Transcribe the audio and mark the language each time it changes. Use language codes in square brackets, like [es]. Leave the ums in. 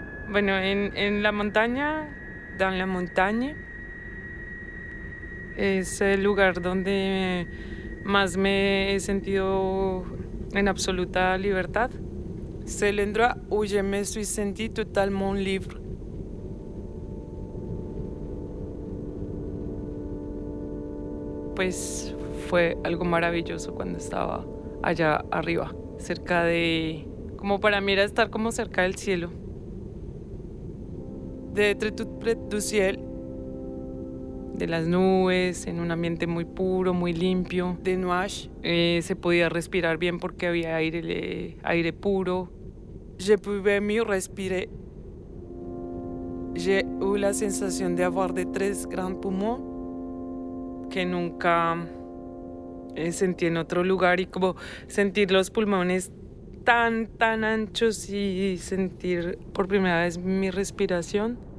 [es] Bueno, en, en la montaña, [fr] dans la montagne, [es] es el lugar donde más me he sentido en absoluta libertad. [fr] C'est l'endroit où je me suis sentie totalement libre. [es] Pues fue algo maravilloso cuando estaba allá arriba, cerca de... Como para mí era estar como cerca del cielo. [fr] de être toute près du ciel, [es] de las nubes, en un ambiente muy puro, muy limpio, [fr] de nuages. [es] Eh, se podía respirar bien porque había aire, le- aire puro. [fr] Je pouvais mieux respirer. J'ai eu la sensation d'avoir de tres grands poumons [es] que nunca eh, sentí en otro lugar y como sentir los pulmones tan, tan anchos y sentir por primera vez mi respiración.